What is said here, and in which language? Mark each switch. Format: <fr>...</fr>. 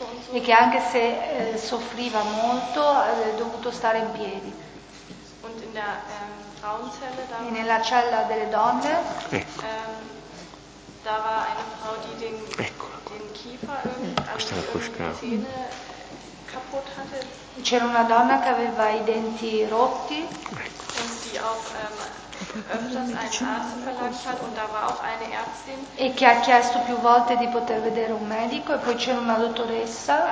<it>E che anche se soffriva molto è dovuto stare in piedi. E nella cella delle donne. Ecco.</it> <de>Da war eine Frau, die den Kiefer irgendwie kaputt hatte.</de> <it>C'era una donna che aveva i denti rotti.</it> <de>Und die auch öfters einen Arzt verlangt hat. Und da war auch eine Ärztin.</de> <it>E che ha chiesto più volte di poter vedere un medico. E poi c'era una dottoressa.</it>